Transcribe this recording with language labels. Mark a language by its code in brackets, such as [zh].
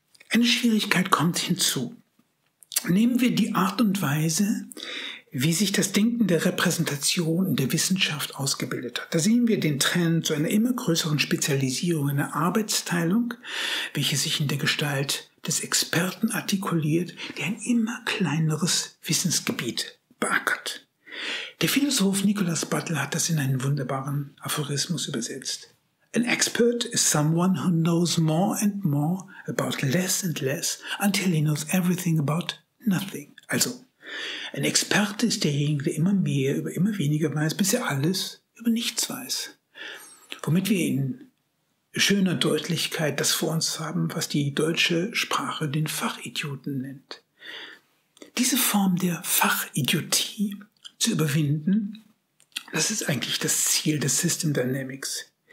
[de] Eine Schwierigkeit kommt hinzu. Nehmen wir die Art und Weise, wie sich das Denken der Repräsentation in der Wissenschaft ausgebildet hat. Da sehen wir den Trend zu einer immer größeren Spezialisierung in der Arbeitsteilung, welche sich in der Gestalt des Experten artikuliert, der ein immer kleineres Wissensgebiet beackert. Der Philosoph Nicholas Butler hat das in einen wunderbaren Aphorismus übersetzt. [en] An expert is someone who knows more and more about less and less until he knows everything about nothing. [de] Also, ein Experte ist derjenige, der immer mehr über immer weniger weiß, bis er alles über nichts weiß. Womit wir in schöner Deutlichkeit das vor uns haben, was die deutsche Sprache den Fachidioten nennt. Diese Form der Fachidiotie zu überwinden, das ist eigentlich das Ziel des System Dynamics.